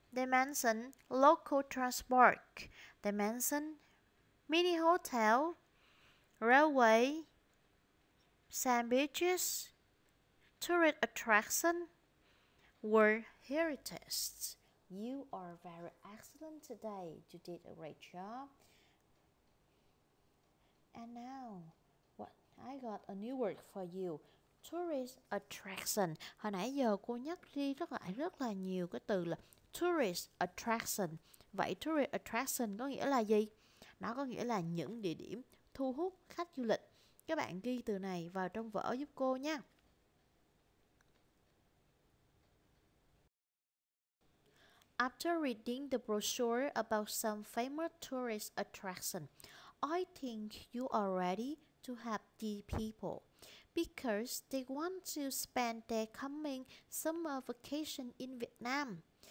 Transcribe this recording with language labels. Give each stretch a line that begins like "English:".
English: They mention local transport. They mention mini hotel, railway, sand beaches, tourist attraction, world heritage. You are very excellent today. You did a great job. And now, what I got a new word for you. Tourist attraction.
Vietnamese: Hồi nãy giờ cô nhắc đi rất là nhiều cái từ là tourist attraction. Vậy tourist attraction có nghĩa là gì? Nó có nghĩa là những địa điểm thu hút khách du lịch. Các bạn ghi từ này vào trong vở giúp cô nha.
English: After reading the brochure about some famous tourist attraction, I think you are ready to help the people because they want to spend their coming summer vacation in Vietnam.